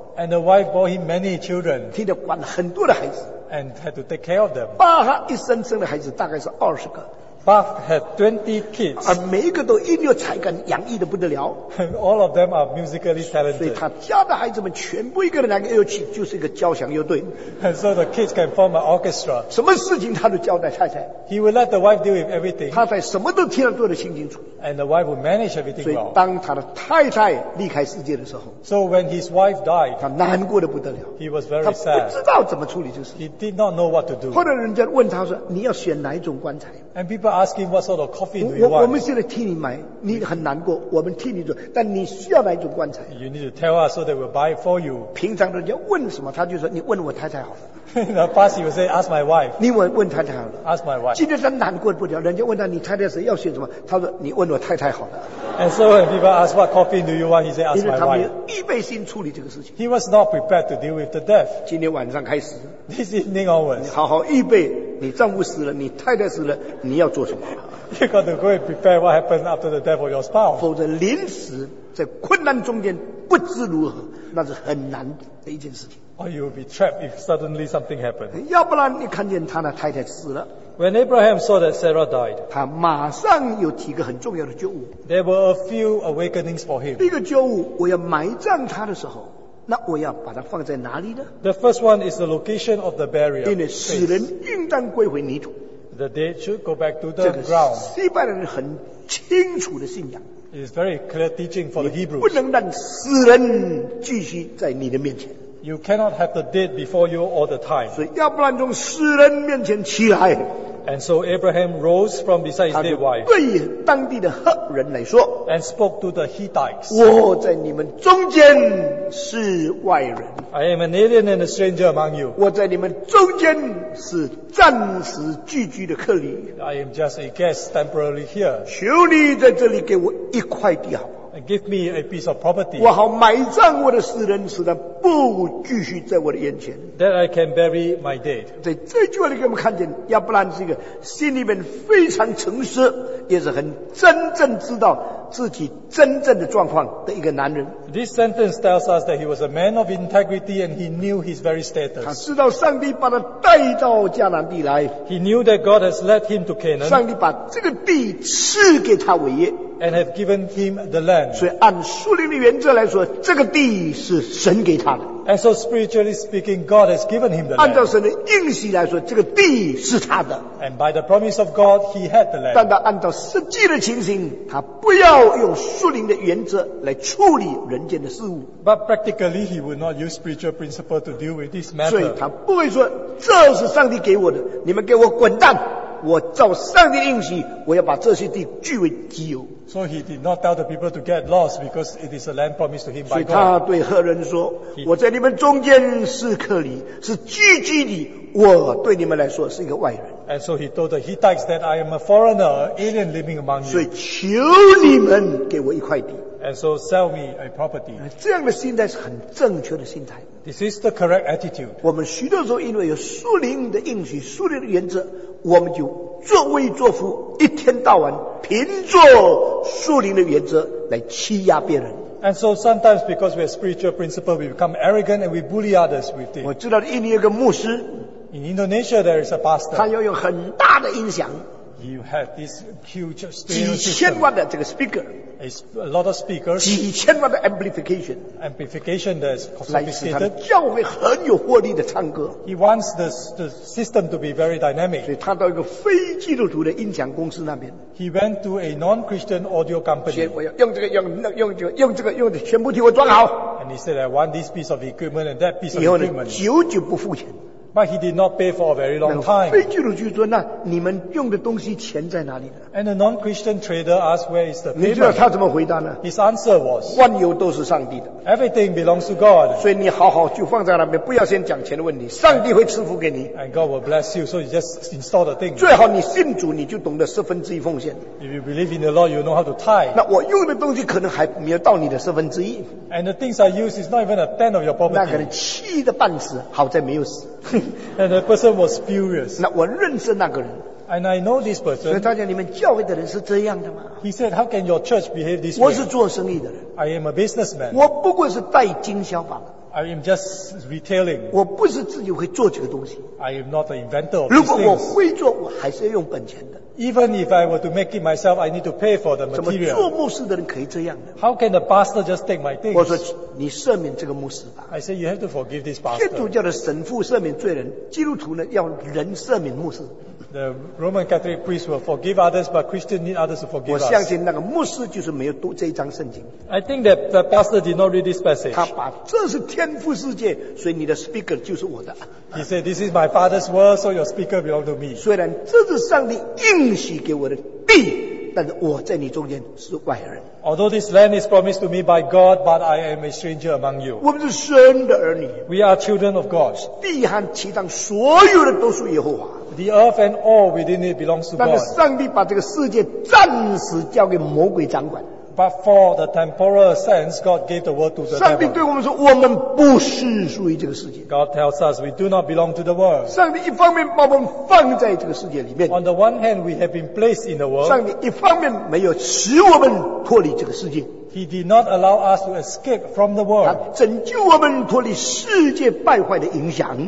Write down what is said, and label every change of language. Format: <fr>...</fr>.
<en>And the wife bore him many children.</en> <zh>替他管了很多的孩子。</zh> <en>And had to take care of them.</en> <zh>巴哈一生生的孩子大概是20个。</zh> <en>Bach had 20 kids.</en> <zh>而每一个都音乐才干洋溢得不得了。</zh> <en>All of them are musically talented.</en> <zh>所以他家的孩子们全部一个人来个乐器，就是一个交响乐队。</zh> <en>And so the kids can form an orchestra.</en> <zh>什么事情他都交代太太。</zh> <en>He will let the wife deal with everything.</en> <zh>太太什么都听得做得清清楚。</zh> <en>And the wife will manage everything well.</en> <zh>所以当他的太太离开世界的时候。</zh> <en>So when his wife died.</en> <zh>他难过得不得了。</zh> <en>He was very sad.</en> <zh>他不知道怎么处理这事。</zh> <en>He did not know what to do.</en> <zh>后来人家问他说，你要选哪一种棺材？</zh> <en>And people ask him what sort of coffin do you want?</en> <zh>我们现在替你买，你很难过，我们替你做，但你需要哪一种棺材？</zh> <en>You need to tell us so that we'll buy it for you.</en> <zh>平常人家问什么，他就说你问我太太好了。</zh> <en>In the past, he would say, ask my wife.</en> <zh>你问太太好了。</zh> <en>Ask my wife.</en> <zh>今天他难过不了，人家问他你太太是要选什么，他说你问我太太好了。</zh> <en>And so when people ask what coffin do you want, he said, ask my wife.</en> <zh>因为他没有预备心处理这个事情。</zh> <en>He was not prepared to deal with the death.</en> <zh>今天晚上开始。</zh> <en>This evening onwards.</en> <zh>你好好预备。你丈夫死了，你太太死了，你要做什么？</zh> <en>You got to go and prepare what happens after the death of your spouse.</en> <zh>否则临时在困难中间不知如何，那是很难的一件事情。</zh> <en>Or you will be trapped if suddenly something happens.</en> <zh>要不然你看见他的太太死了。</zh> <en>When Abraham saw that Sarah died,</en> <zh>他马上有几个很重要的觉悟。</zh> <en>There were a few awakenings for him.</en> <zh>第一个觉悟，我要埋葬他的时候。那我要把它放在哪里呢？</zh> <en>The first one is the location of the burial.</en> <zh>因为死人应当归回泥土。</zh> <en>The dead should go back to the ground.</en> <zh>这个西班牙人很清楚的信仰。</zh> <en>It's very clear teaching for the Hebrews.</en> <zh>不能让死人继续在你的面前。</zh> <en>You cannot have the dead before you all the time.</en> <zh>所以亚伯兰从死人面前起来。</zh> <en>And so Abraham rose from beside his dead wife.</en> <zh>他对当地的赫人来说。</zh> <en>And spoke to the Hittites.</en> <zh>我在你们中间是外人。</zh> <en>I am an alien and a stranger among you.</en> <zh>我在你们中间是暂时聚居的客旅。</zh> <en>I am just a guest temporarily here.</en> <zh>求你在这里给我一块地好。</zh> <en>Give me a piece of property.</en> <zh>我好埋葬我的死人，使他不继续在我的眼前。</zh> <en>That I can bury my dead.</en> <zh>在这句话里，给我们看见亚伯兰是一个心里面非常诚实，也是很真正知道自己真正的状况的一个男人。</zh> <en>This sentence tells us that he was a man of integrity and he knew his very status.</en> <zh>他知道上帝把他带到迦南地来。</zh> <en>He knew that God has led him to Canaan.</en> <zh>上帝把这个地赐给他为业。</zh> <en>And have given him the land.</en> <zh>所以按属灵的原则来说，这个地是神给他的。</zh> <en>And so spiritually speaking, God has given him the land.</en> <zh>按照神的应许来说，这个地是他的。</zh> <en>And by the promise of God, he had the land.</en> <zh>但他按照实际的情形，他不要用属灵的原则来处理人间的事物。</zh> <en>But practically, he would not use spiritual principle to deal with this matter.</en> <zh>所以他不会说，这是上帝给我的，你们给我滚蛋。我照上帝的应许，我要把这些地据为己有。</zh> <en>So he did not tell the people to get lost because it is a land promised to him by God.</en> <zh>所以他对赫人说：“我在你们中间是客旅，是寄居的。我对你们来说是一个外人。”</zh> <en>And so he told the Hittites that I am a foreigner, alien living among you.</en> <zh>所以求你们给我一块地。</zh> <en>And so sell me a property.</en> <zh>这样的心态是很正确的心态。</zh> <en>This is the correct attitude.</en> <zh>我们许多时候因为有属灵的应许、属灵的原则，我们就作威作福，一天到晚凭着属灵的原则来欺压别人。</zh> <en>And so sometimes because we have spiritual principle, we become arrogant and we bully others with it.</en> <zh>我知道印尼有个牧师。</zh> <en>In Indonesia, there is a pastor.</en> <zh>他要用很大的音响。</zh> <en>He had this huge stereo.</en> <zh>几千万的这个 speaker。</zh> <en>A lot of speakers.</en> <zh>几千万的 amplification.</zh> <en>Amplification that is sophisticated.</en> <zh>来使他教会很有活力的唱歌。</zh> <en>He wants the system to be very dynamic.</en> <zh>所以他到一个非基督徒的音响公司那边。</zh> <en>He went to a non-Christian audio company.</en> <zh>我要用这个用这个全部替我装好。</zh> <en>And he said, I want this piece of equipment and that piece of equipment.</en> <zh>以后呢，久久不付钱。</zh> <en>But he did not pay for a very long time.</en> <zh>非基督徒说，那你们用的东西钱在哪里呢？</zh> <en>And the non-Christian trader asked, where is the payment?</en> <zh>你知道他怎么回答呢？</zh> <en>His answer was,</en> <zh>万有都是上帝的。</zh> <en>Everything belongs to God.</en> <zh>所以你好好就放在那边，不要先讲钱的问题，上帝会赐福给你。</zh> <en>And God will bless you, so you just install the thing.</en> <zh>最好你信主，你就懂得十分之一奉献。</zh> <en>If you believe in the Lord, you know how to tithe.</en> <zh>那我用的东西可能还没有到你的十分之一。</zh> <en>And the things I use is not even a tenth of your property.</en> <zh>那可能气得半死，好在没有死。</zh> <en>And the person was furious.</en> <zh>那我认识那个人。</zh> <en>And I know this person.</en> <zh>所以他讲你们教会的人是这样的吗？</zh> <en>He said, how can your church behave this way?</en> <zh>我是做生意的人。</zh> <en>I am a businessman.</en> <zh>我不过是带经销房。</zh> <en>I am just retailing.</en> <zh>我不是自己会做这个东西。</zh> <en>I am not the inventor of this thing.</en> <zh>如果我会做，我还是要用本钱的。</zh> <en>Even if I were to make it myself, I need to pay for the material.</en> <zh>怎么做牧师的人可以这样的？</zh> <en>How can the pastor just take my things?</en> <zh>我说你赦免这个牧师吧。</zh> <en>I say you have to forgive this pastor.</en> <zh>基督教的神父赦免罪人，基督徒呢要人赦免牧师。</zh> <en>The Roman Catholic priest will forgive others, but Christians need others to forgive us.</en> <zh>我相信那个牧师就是没有读这一章圣经。</zh> <en>I think that the pastor did not read this passage.</en> <zh>他把这是天父世界，所以你的 speaker 就是我的。</zh> <en>He said, "This is my father's world, so your speaker belongs to me."</en> <zh>虽然这是上帝应许给我的地，但是我在你中间是外人。</zh> <en>Although this land is promised to me by God, but I am a stranger among you.</en> <zh>我们是神的儿女。</zh> <en>We are children of God.</en> <zh>地和其上所有的都属耶和华。</zh> <en>The earth and all within it belongs to God.</en> <zh>但是上帝把这个世界暂时交给魔鬼掌管。</zh> <en>But for the temporal sense, God gave the world to the devil.</en> <zh>上帝对我们说，我们不是属于这个世界。</zh> <en>God tells us we do not belong to the world.</en> <zh>上帝一方面把我们放在这个世界里面。</zh> <en>On the one hand, we have been placed in the world.</en> <zh>上帝一方面没有使我们脱离这个世界。</zh> <en>He did not allow us to escape from the world.</en> <zh>他拯救我们脱离世界败坏的影响。</zh>